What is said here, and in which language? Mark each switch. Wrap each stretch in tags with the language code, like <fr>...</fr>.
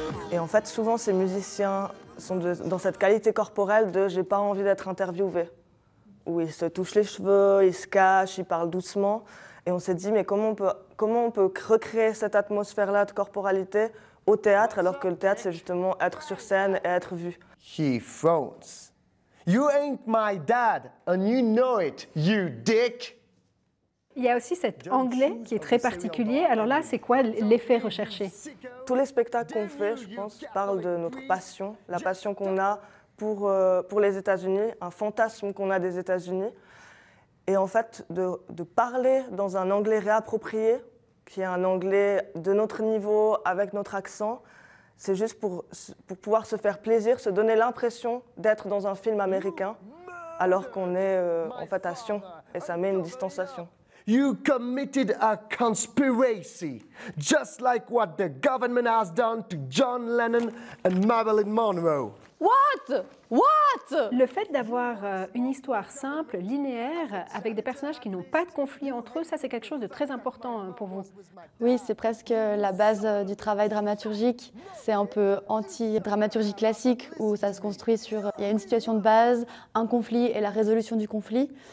<fr>Et en fait, souvent, ces musiciens sont dans cette qualité corporelle de « j'ai pas envie d'être interviewé », où ils se touchent les cheveux, ils se cachent, ils parlent doucement. Et on s'est dit « mais comment on peut recréer cette atmosphère-là de corporalité ?» au théâtre, alors que le théâtre, c'est justement être sur scène et être vu.</fr> <en>He phones. You ain't my dad, and you know it, you dick.</en> <fr>Il y a aussi cet anglais qui est très particulier. Alors là, c'est quoi l'effet recherché? Tous les spectacles qu'on fait, je pense, parlent de notre passion, la passion qu'on a pour les États-Unis, un fantasme qu'on a des États-Unis. Et en fait, de parler dans un anglais réapproprié, qui est un anglais de notre niveau, avec notre accent. C'est juste pour pouvoir se faire plaisir, se donner l'impression d'être dans un film américain, alors qu'on est en fait à Sion, et ça met une distanciation.</fr> <en>You committed a conspiracy, just like what the government has done to John Lennon and Marilyn Monroe. What?</en> <fr>Le fait d'avoir une histoire simple, linéaire, avec des personnages qui n'ont pas de conflit entre eux, ça c'est quelque chose de très important pour vous. Oui, c'est presque la base du travail dramaturgique. C'est un peu anti-dramaturgie classique où ça se construit sur il y a une situation de base, un conflit et la résolution du conflit.</fr>